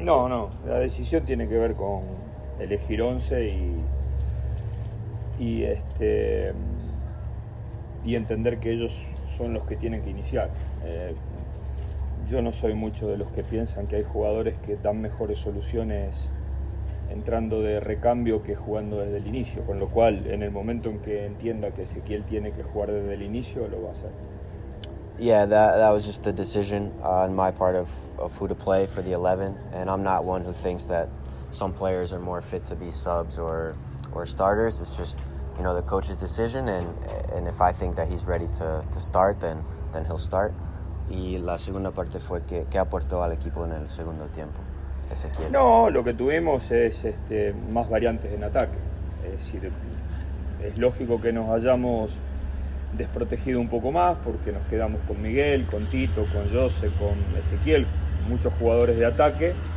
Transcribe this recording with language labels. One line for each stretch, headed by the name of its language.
Spanish: No, no, la decisión tiene que ver con elegir 11 y entender que ellos son los que tienen que iniciar. Yo no soy mucho de los que piensan que hay jugadores que dan mejores soluciones entrando de recambio que jugando desde el inicio, con lo cual en el momento en que entienda que Ezequiel tiene que jugar desde el inicio, lo va a hacer.
English: Yeah, that was just the decision on my part of who to play for the 11, and I'm not one who thinks that some players are more fit to be subs or starters. It's just, you know, the coach's decision, and if I think that he's ready to start, then he'll start.
Spanish: Y la segunda parte fue qué aportó al equipo en el segundo tiempo. Ezequiel. No, lo que tuvimos es más variantes en ataque. Es decir, es lógico que nos hayamos desprotegido un poco más porque nos quedamos con Miguel, con Tito, con Jose, con Ezequiel, muchos jugadores de ataque.